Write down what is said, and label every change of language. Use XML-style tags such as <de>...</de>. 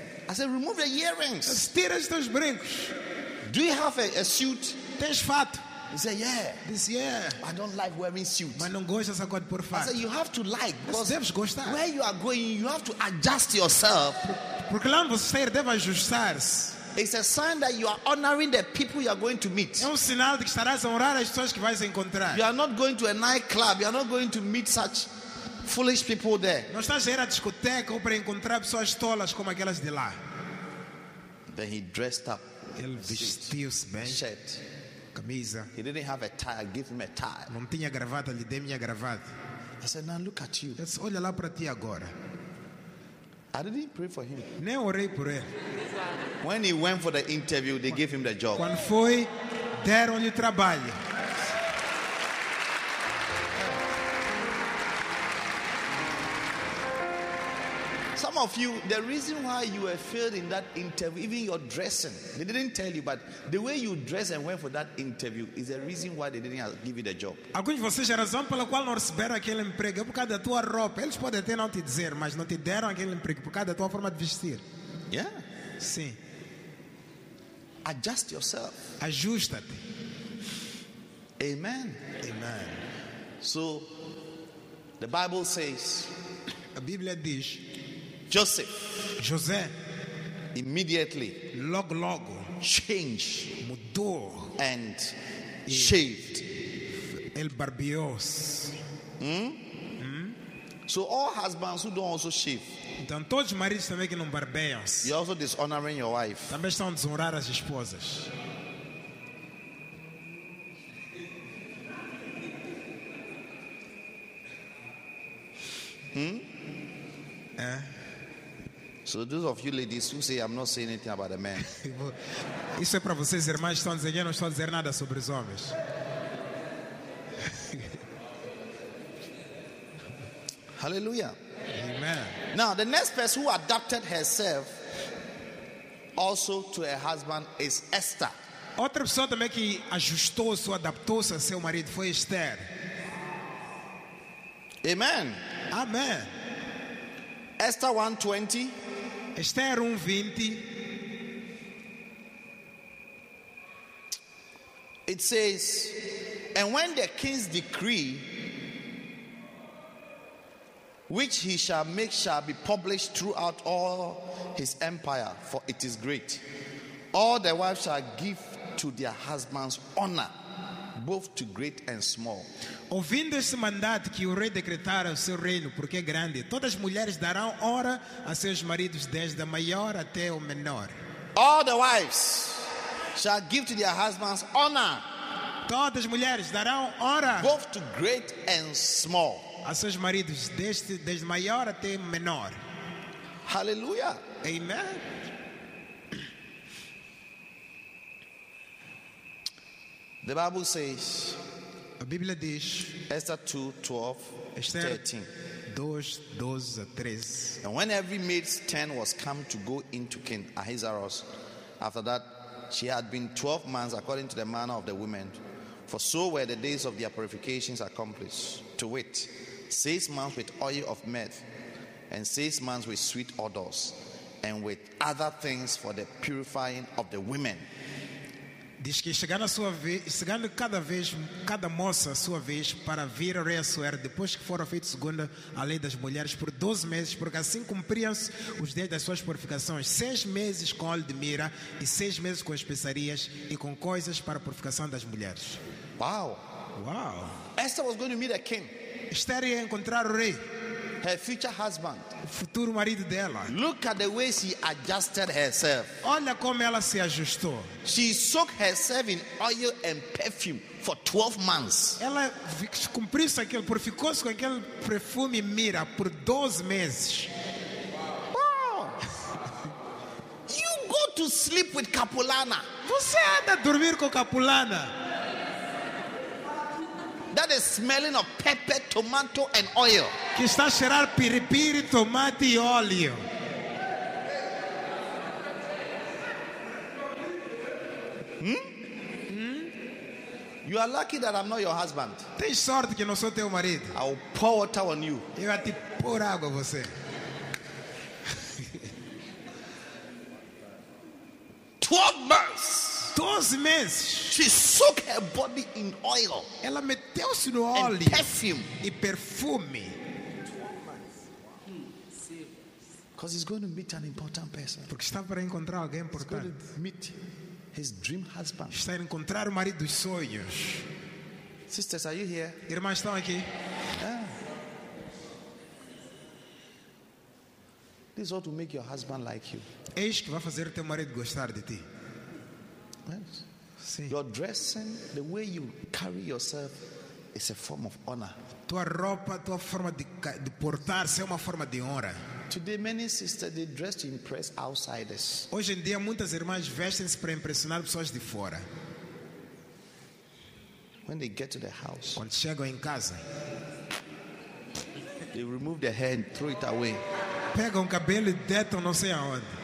<en>I said, remove the earrings.</en> <pt>Tira estes brincos.</pt> <en>Do you have a suit?</en> <pt>Tens fato?</pt> <en>He said, yeah. This year. I don't like wearing suits.</en> <pt>Mas não gosto dessa coisa por fato.</pt> <en>I said, you have to like.</en> <pt>Mas deves gostar.</pt> <en>Where you are going, you have to adjust yourself.</en> <pt>Porque lá onde você está, deve ajustar-se.</pt> <en>It's a sign that you are honoring the people you are going to meet.</en> <pt>É um sinal de que estarás a honrar as pessoas que vais encontrar.</pt> <en>You are not going to a nightclub. You are not going to meet such foolish people there.</en> <pt>Não estás a ir à discoteca ou para encontrar pessoas tolas como aquelas de lá.</pt> <en>Then he dressed up.</en> <pt>Ele vestiu-se bem.</pt> <en>Shirt.</en> <pt>Camisa.</pt> <en>He didn't have a tie. I gave him a tie.</en> <pt>Não tinha gravata. Lhe dei minha gravata.</pt> <en>I said, now look at you.</en> <pt>Disse, olha lá para ti agora.</pt> <en>I didn't pray for him.</en> <pt>Nem orei por ele.</pt> <en>When he went for the interview, they gave him the job.</en> <pt>Quando foi, deram-lhe trabalho.</pt> <en>Some of you, the reason why you were failed in that interview, even your dressing, they didn't tell you, but the way you dressed and went for that interview is the reason why they didn't give you the job.</en> <pt>Alguns de vocês, a razão pela qual não receberam aquele emprego é por causa da tua roupa. Eles podem até não te dizer, mas não te deram aquele emprego por causa da tua forma de vestir.</pt> <en>Yeah.</en> <pt>Sim.</pt> <en>Adjust yourself.</en> <pt>Ajusta-te.</pt> <en>Amen.</en> <pt>Amen.</pt> <en>So, the Bible says,</en> <pt>a Bíblia diz,</pt> <en>Joseph,</en> <pt>José,</pt> <en>immediately,</en> <pt>logo,</pt> <en>changed,</en> <pt>mudou,</pt> <en>and shaved.</en> <pt>Ele barbeou-se.</pt> <en>So all husbands who don't also shave.</en> <pt>Então todos os maridos também que não barbeiam-se.</pt> <en>You're also dishonoring your wife.</en> <pt>Também estão a desonrar as esposas. É.</pt> <en>So those of you ladies who say I'm not saying anything about a man.</en> <pt>Isso é para vocês irmãs que estão dizendo eu não estou a dizer nada sobre os homens.</pt> <en>Hallelujah.</en> <pt>Amen.</pt> <en>Now the next person who adapted herself also to her husband is Esther.</en> <pt>Outra pessoa também que ajustou-se ou adaptou-se a seu marido foi Esther.</pt> <en>Amen.</en> <pt>Amen.</pt> <en>Esther 1:20.</en> <pt>Esther 1:20.</pt> <en>It says, and when the king's decree which he shall make shall be published throughout all his empire, for it is great, all the wives shall give to their husbands honor, both to great and small.</en> <pt>Ouvindo esse mandato que o rei decretar ao seu reino, porque é grande, todas as mulheres darão honra a seus maridos, desde a maior até o menor.</pt> <en>All the wives shall give to their husbands honor.</en> <pt>Todas as mulheres darão honra,</pt> <en>both to great and small,</en> <pt>a seus maridos, desde maior até menor.</pt> <en>Hallelujah.</en> <pt>Amen.</pt> <en>The Bible says,</en> <pt>a Bíblia diz,</pt> <en>Esther 2:12, 13.</en> <pt>2:12-13.</pt> <en>And when every maid's turn was come to go into King Ahasuerus, after that she had been 12 months according to the manner of the women, for so were the days of their purifications accomplished, to wit, 6 months with oil of myrrh, and 6 months with sweet odors, and with other things for the purifying of the women.</en> <pt>Diz que chegando cada moça a sua vez para vir ao rei Assuero, depois que foram feitos segundo a lei das mulheres por 12 meses, porque assim cumpriam-se os dias das suas purificações, 6 meses com óleo de mira e 6 meses com especiarias e com coisas para a purificação das mulheres. Uau! Uau!</pt> <en>Esther was going to meet a king.</en> <pt>Esther ia encontrar o rei.</pt> <en>Her future husband.</en> <pt>O futuro marido dela.</pt> <en>Look at the way she adjusted herself.</en> <pt>Olha como ela se ajustou.</pt> <en>She soaked herself in oil and perfume for 12 months.</en> <pt>Ela cumpriu aquele, purificou-se com aquele perfume e mira por 12 meses.</pt> <en>Wow. You go to sleep with Capulana.</en> <pt>Você anda a dormir com Capulana.</pt> <en>That is smelling of pepper, tomato, and oil.</en> <pt>Que está a cheirar piripiri, tomate e óleo.</pt> <en>You are lucky that I'm not your husband.</en> <pt>Tem sorte que não sou teu marido.</pt> <en>I will pour water on you.</en> <pt>Eu vou te pôr água a você.</pt> <en>12 months. 12 months. She soaked her body in oil.</en> <pt>Ela meteu se no óleo.</pt> <en>And perfume.</en> <pt>E perfume.</pt> <en>Because he's going to meet an important person.</en> <pt>Porque está para encontrar alguém importante.</pt> <en>He's going to meet his dream husband.</en> <pt>Está a encontrar o marido dos sonhos.</pt> <en>Sisters, are you here?</en> <pt>Irmãs, estão aqui?</pt> <en>Yeah. This is what will make your husband like you.</en> <pt>Eis que vai fazer teu marido gostar de ti.</pt> <en>Yes.</en> <pt>Sim.</pt> <en>Your dressing, the way you carry yourself, is a form of honor.</en> <pt>Tua roupa, tua forma de portar-se é uma forma de honra.</pt> <en>Today many sisters they dress to impress outsiders.</en> <pt>Hoje em dia muitas irmãs vestem-se para impressionar pessoas de fora.</pt> <en>When they get to the house,</en> <pt>quando chegam em casa,</pt> <en>they remove their hair and throw it away.</en> <pt>Pegam o cabelo e detonam não sei aonde.</pt>